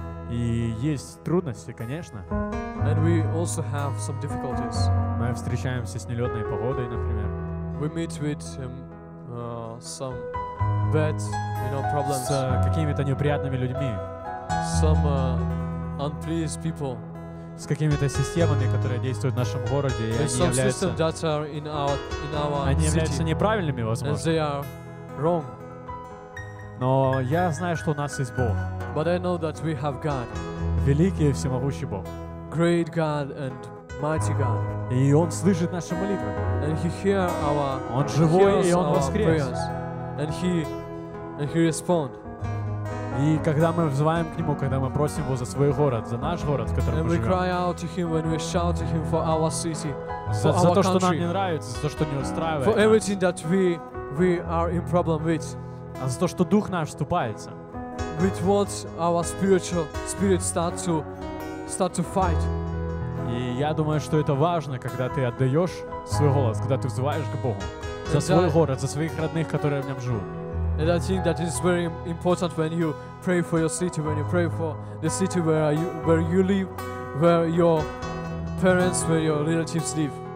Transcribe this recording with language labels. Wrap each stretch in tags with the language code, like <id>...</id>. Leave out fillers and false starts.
<ru>И есть трудности, конечно.</ru> <en>And we also have some difficulties.</en> <ru>Мы встречаемся с нелетной погодой, например.</ru> <en>We meet with some bad, you know, problems.</en> <ru>С какими-то неприятными людьми.</ru> <en>Some unpleased people.</en> <ru>С какими-то системами, которые действуют в нашем городе, и они являются.</ru> <en>And some systems that are in our</en> <ru>они Они являются неправильными, возможно.</ru> <en>And they are wrong.</en> <ru>Но я знаю, что у нас есть Бог.</ru> <en>But I know that we have God.</en> <ru>Великий и всемогущий Бог.</ru> <en>Great God and mighty God.</en> <ru>И Он слышит наши молитвы.</ru> <en>And He hears our prayers.</en> <ru>Он живой, и Он воскрес.</ru> <en>And He responds.</en> <ru>И когда мы взываем к Нему, когда мы просим Его за свой город, за наш город, в котором</ru> <en>and</en> <ru>мы живем.</ru> <en>And we cry out to Him when we shout to Him for our city,</en> <ru>за,</ru> <en>for</en> <ru>за</ru> <en>our</en> <ru>то,</ru> <en>country.</en> <ru>За то, что нам не нравится, за то, что не устраивает.</ru> <en>For everything that we are in problem with.</en> <ru>А за то, что дух наш вступается.</ru> <en>With what our spirit start to fight.</en> <ru>И я думаю, что это важно, когда ты отдаешь свой голос, когда ты взываешь к Богу за свой город, за своих родных, которые в нем живут.</ru> <en>And I think that is very important when you pray for your city, when you pray for the city where you live, where your parents, where your relatives live.</en>